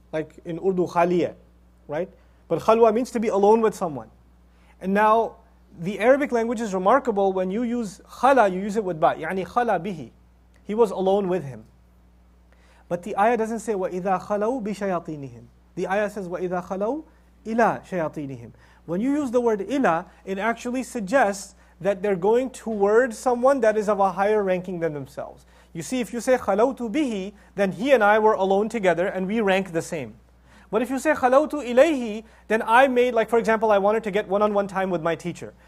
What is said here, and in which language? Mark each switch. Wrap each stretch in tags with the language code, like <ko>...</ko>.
<en>Like in Urdu, khaliya, right? But khalwa means to be alone with someone. And now, the Arabic language is remarkable. When you use khala, you use it with ba. يعني khala bihi. He was alone with him. But the ayah doesn't say,</en> <ar>وَإِذَا خَلَوْا بِشَيَاطِينِهِمْ.</ar> <en>The ayah says,</en> <ar>وَإِذَا خَلَوْا إِلَىٰ شَيَاطِينِهِمْ.</ar> <en>When you use the word ila, it actually suggests that they're going towards someone that is of a higher ranking than themselves. You see, if you say khalawtu bihi, then he and I were alone together and we rank the same. But if you say khalawtu ilayhi, then I made, like for example, I wanted to get one-on-one time with my teacher.</en>